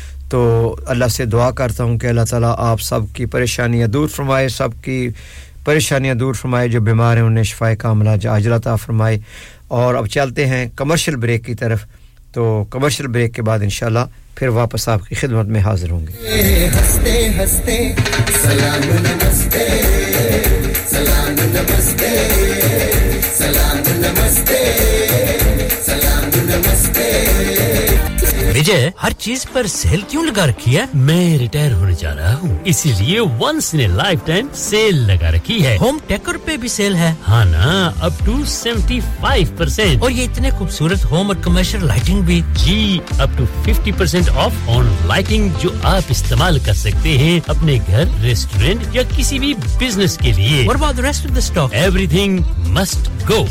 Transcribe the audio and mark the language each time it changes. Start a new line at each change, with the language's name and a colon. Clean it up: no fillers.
Hindi: तो अल्लाह से दुआ करता हूं कि अल्लाह ताला आप सब की परेशानियां दूर फरमाए सब की परेशानियां दूर फरमाए जो बीमार हैं उन्हें शिफाए कामला अजल अता फरमाए और अब चलते हैं कमर्शियल ब्रेक की तरफ तो कमर्शियल ब्रेक के बाद इंशाल्लाह फिर वापस आपकी खिदमत में हाजिर होंगे हंसते हंसते सलाम नमस्ते सलाम नमस्ते सलाम नमस्ते सलाम नमस्ते विजय हर चीज पर सेल क्यों लगा रखी है मैं रिटायर होने जा रहा हूं इसीलिए
English: once in a lifetime
Hindi: cell लगा रखी है होम डेकोर पे भी सेल है हां ना अप टू 75% और ये इतने खूबसूरत होम और कमर्शियल लाइटिंग भी जी
English: up to 50% off on lighting
Hindi: जो आप इस्तेमाल कर सकते हैं अपने घर रेस्टोरेंट या किसी भी बिजनेस के लिए
English: what about the rest of the stock everything must go